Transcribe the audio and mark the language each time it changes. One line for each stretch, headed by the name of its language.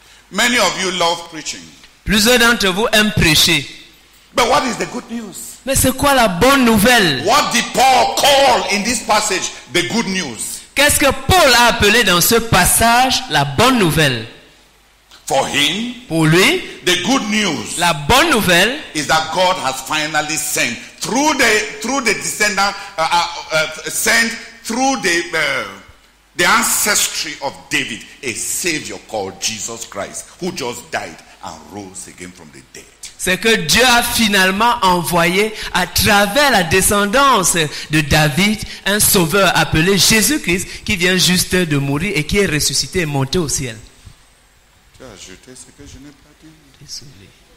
English: Many of you love preaching.
French: Plusieurs d'entre vous aiment prêcher.
English: But what is the good news?
French: Mais c'est quoi la bonne nouvelle?
English: What did Paul call in this passage the good news?
French: Qu'est-ce que Paul a appelé dans ce passage la bonne nouvelle?
English: For him,
French: pour lui,
English: the good news,
French: la bonne nouvelle,
English: is that God has finally sent through the descendant sent through the ancestry of David a savior called Jesus Christ who just died and rose again from the dead.
French: C'est que Dieu a finalement envoyé à travers la descendance de David un sauveur appelé Jésus-Christ qui vient juste de mourir et qui est ressuscité et monté au ciel. Tu as ajouté ce que je n'ai pas dit. Désolé.